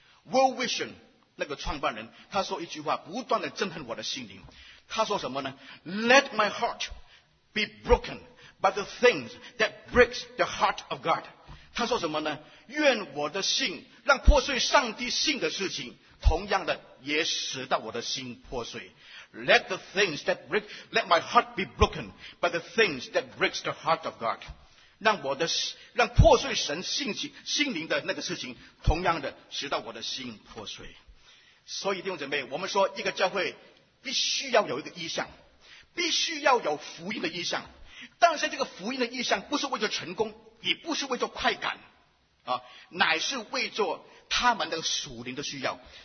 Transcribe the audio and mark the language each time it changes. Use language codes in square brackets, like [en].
[zh] World Vision那个创办人他说一句话，不断的震撼我的心灵。他说什么呢 [en] ？Let my heart be broken by the things that breaks the heart of God。他说什么呢？ [zh] 愿我的心让破碎上帝心的事情，同样的也使到我的心破碎。 [en] Let the things that break, let my heart be broken by the things that breaks the heart of God。 [zh] 让破碎神心灵的那个事情，同样的使到我的心破碎。所以弟兄姐妹，我们说一个教会必须要有一个意向，必须要有福音的意向，但是这个福音的意向不是为着成功，也不是为着快感啊，乃是为着他们的属灵的需要。